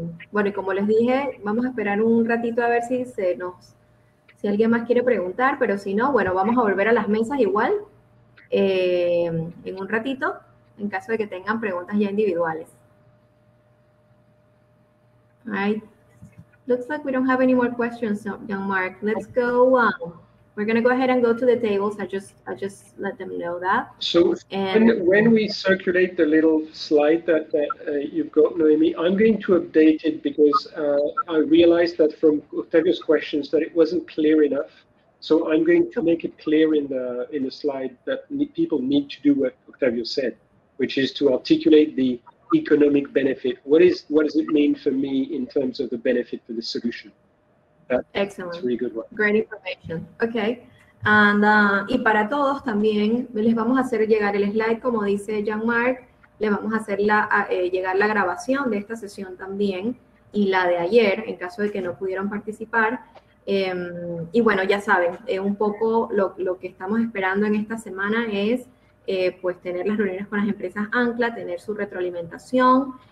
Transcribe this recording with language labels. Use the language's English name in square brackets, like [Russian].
[Spanish] Bueno, y como les dije, vamos a esperar un ratito a ver si alguien más quiere preguntar, pero si no, bueno, vamos a volver a las mesas igual en un ratito, en caso de que tengan preguntas ya individuales. [English] Right. Looks like we don't have any more questions, Jean-Marc. Let's go on. We're going to go ahead and go to the tables. I just let them know that. So when we circulate the little slide that you've got, Noemi, I'm going to update it because I realized that from Octavio's questions that it wasn't clear enough. So I'm going to make it clear in the slide that people need to do what Octavio said, which is to articulate the economic benefit. What does it mean for me in terms of the benefit for the solution? Excellent. That's a really good one. Great information. Okay. [Spanish] And y para todos también les vamos a hacer llegar el slide, como dice Jean-Marc, le vamos a hacer llegar la grabación de esta sesión también y la de ayer, en caso de que no pudieron participar. Y bueno, ya saben, un poco lo que estamos esperando en esta semana es pues tener las reuniones con las empresas ANCLA, tener su retroalimentación.